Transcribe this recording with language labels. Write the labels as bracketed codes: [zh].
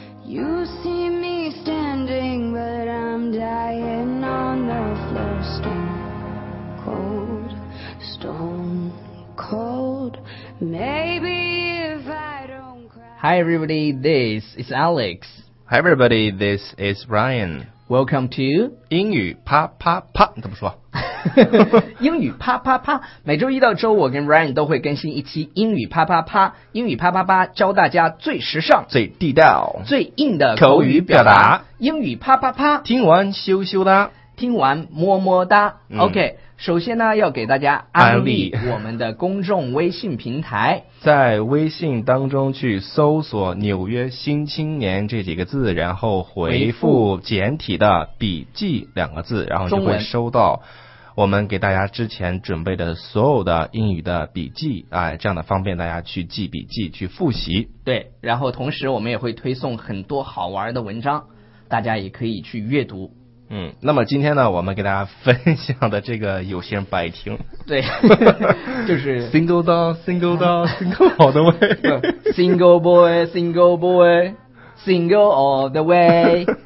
[en] You see me standing, but I'm dying on the floor. Stone cold, stone cold. Maybe if I don't cry. Hi everybody, this is Alex. Hi everybody, this is Ryan. Welcome to [zh] 英语啪啪啪，你怎么说？英语啪啪啪，每周一到周，我跟 Ryan 都会更新一期英语啪啪啪。英语啪啪啪，教大家最时尚、最地道、最硬的口语表达。英语啪啪啪，听完羞羞哒，听完么么哒。OK， 首先呢，要给大家安利我们的公众微信平台，在微信当中去搜索“纽约新青年”这几个字，然后回复简体的“笔记”两个字，然后就会收到。我们给大家之前准备的所有的英语的笔记，哎，这样的方便大家去记笔记，去复习。对，然后同时我们也会推送很多好玩的文章，大家也可以去阅读。嗯，那么今天呢，我们给大家分享的这个有些人不爱听。对，就是 [en] single dog, single dog, single all the way, single boy, single boy, single all the way,